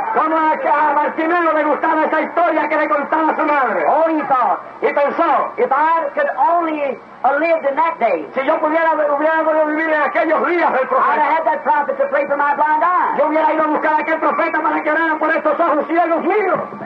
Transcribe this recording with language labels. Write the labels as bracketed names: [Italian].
[Spanish] Como a Bartimeo le gustaba esa historia que le contaba su madre. [English] Oh, he thought. [Spanish] Y pensó. [English] If I could only lived in that day. [Spanish] Si yo hubiera podido vivir en aquellos días del profeta. [English] I'd have had that prophet to pray for my blind eye. [Spanish] Yo hubiera ido a buscar a aquel profeta para que oraran por estos ojos ciegos míos.